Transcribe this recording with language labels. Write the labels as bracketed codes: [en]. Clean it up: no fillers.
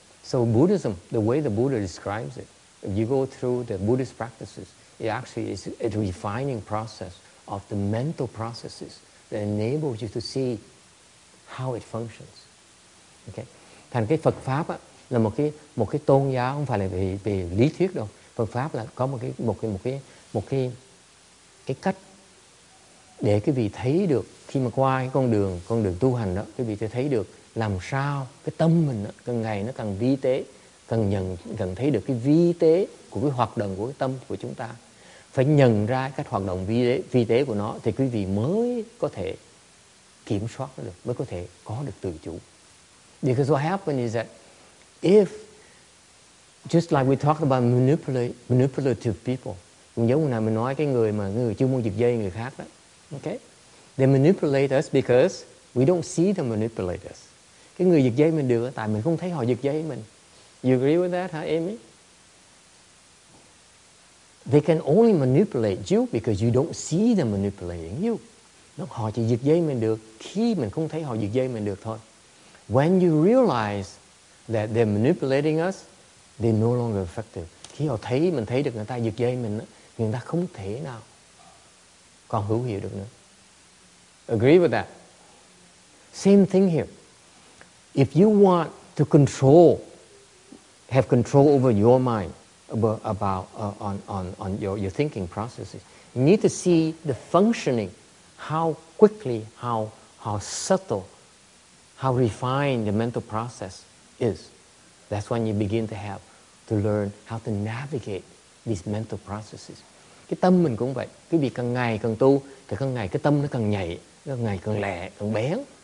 [en] So Buddhism, the way the Buddha describes it, if you go through the Buddhist practices, it actually is a refining process of the mental processes that enables you to see how it functions. Okay? [vi] Thành cái Phật Pháp á, là một cái tôn giáo, không phải là về lý thuyết đâu. Phật Pháp là có một cái cách để cái vị thấy được, khi mà qua cái con đường tu hành đó, cái vị sẽ thấy được làm sao cái tâm mình đó, càng ngày nó càng vi tế, càng thấy được cái vi tế của cái hoạt động của cái tâm của chúng ta. Phải nhận ra cách hoạt động vi tế của nó thì quý vị mới có thể kiểm soát được, mới có thể có được tự chủ. [en] Because what happened is that if, just like we talked about manipulative people, [vi] giống như mình nói cái người chuyên môn giật dây người khác đó, [en] okay? They manipulate us because we don't see the manipulators. [vi] Cái người giật dây mình được tại mình không thấy họ giật dây mình. [en] You agree with that, huh, Amy? They can only manipulate you because you don't see them manipulating you. [vi] Họ chỉ giật dây mình được khi mình không thấy họ giật dây mình được thôi. [en] When you realize that they're manipulating us, they're no longer effective. [vi] Khi họ thấy mình thấy được người ta giật dây mình, người ta không thể nào còn hữu hiệu được nữa. [en] Agree with that? Same thing here. If you want to have control over your mind, about your thinking processes, you need to see the functioning, how quickly, how subtle, how refined the mental process is. That's when you begin to learn how to navigate these mental processes. [vi] Cái tâm mình cũng vậy. Quý vị càng ngày càng tu thì càng ngày cái tâm nó càng nhạy, càng ngày càng lẹ, càng bén.